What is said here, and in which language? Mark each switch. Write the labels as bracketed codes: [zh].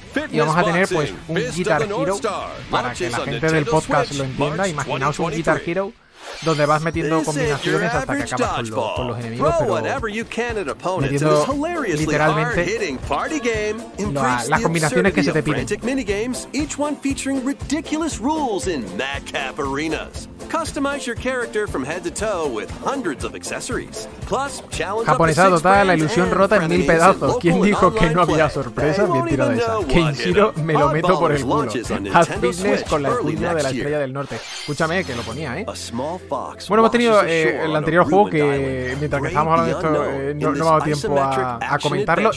[es] Y vamos a tener, pues, un Guitar Hero. Para que la gente del podcast lo entienda. Imaginaos un Guitar Hero donde vas metiendo combinaciones hasta que acabas con los enemigos, pero metiendo literalmente las combinaciones que se te piden. [en] Customize your character from head to toe with hundreds of accessories. Plus, challenge [es] japonesa total, la ilusión rota en mil pedazos. ¿Quién dijo que no había sorpresas? Bien tirada esa. Kenshiro, me lo meto por el culo. Haz fitness con la espina de la estrella del norte. Escúchame, que lo ponía, ¿eh? Bueno, hemos tenido el anterior juego que, mientras que estábamos hablando de esto, no me ha dado tiempo a comentarlo.